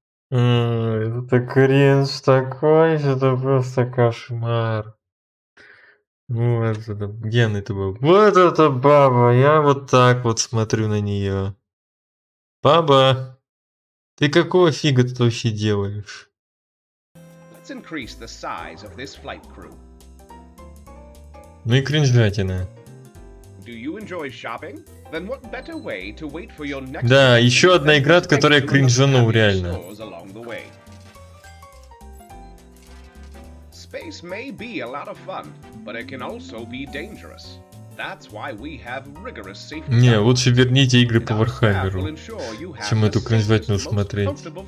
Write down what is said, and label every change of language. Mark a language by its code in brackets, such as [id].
[ru] Это кринж такой, это просто кошмар. Вот это, где она это была? Вот это баба, я вот так вот смотрю на нее. Баба! Ты какого фига тут вообще делаешь? [en] Let's increase the size of this flight crew. [ru] Ну и кринжатина. [en] Do you enjoy shopping? Then what better way to wait for your next... [ru] Да, еще одна игра, от которой я кринжанул, реально. [en] Space may be a lot of fun, but it can also be dangerous. That's why we have rigorous safety. [ru] Не, лучше верните игры по Вархаммеру, чем эту кринжатину смотреть.